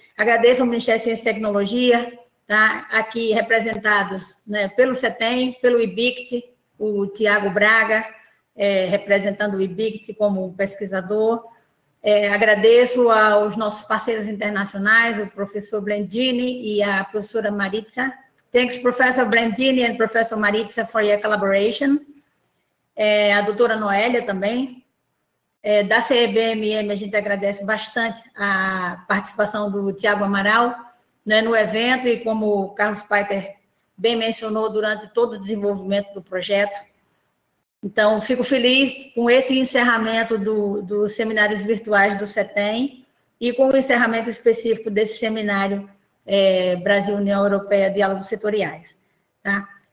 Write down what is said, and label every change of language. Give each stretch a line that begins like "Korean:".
Portuguese: Agradeço ao Ministério de Ciência e Tecnologia, tá, aqui representados, né, pelo CETEM, pelo IBICT, o Tiago Braga, representando o IBICT como pesquisador. Agradeço aos nossos parceiros internacionais, o professor Brandini e a professora Maritza.
English: Thanks, Professor Brandini and Professor Maritza, for your collaboration.
Portuguese: A doutora Noélia também. Da CEBMM, a gente agradece bastante a participação do Tiago Amaral, né, no evento, e como o Carlos Paiter bem mencionou, durante todo o desenvolvimento do projeto. Então, fico feliz com esse encerramento dos seminários virtuais do CETEM e com o encerramento específico desse seminário Brasil-União Europeia, Diálogos Setoriais. Tá?